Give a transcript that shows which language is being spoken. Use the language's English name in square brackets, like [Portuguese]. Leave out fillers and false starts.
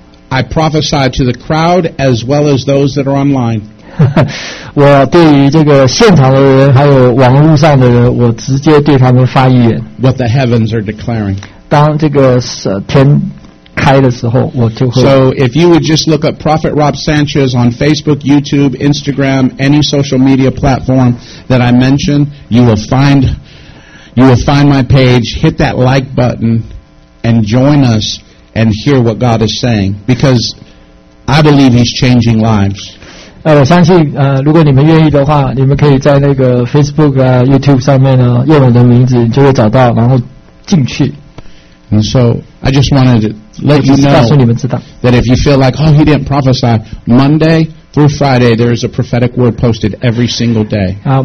[English] I prophesy to the crowd as well as those that are online. [Chinese] 我对于这个现场的人还有网络上的人，我直接对他们发预言。 [English] What the heavens are declaring. [Chinese] 当这个天 [English] So if you would just look up Prophet Rob Sanchez on Facebook, YouTube, Instagram, any social media platform that I mention, you will find my page, hit that like button, and join us and hear what God is saying. Because I believe he's changing lives. [Chinese] 我相信如果你们愿意的话，你们可以在那个 Facebook 啊 YouTube 上面呢，用我的名字就会找到，然后进去。 [English] And so I just wanted to let you know that if you feel like, oh, he didn't prophesy, Monday through Friday, there is a prophetic word posted every single day.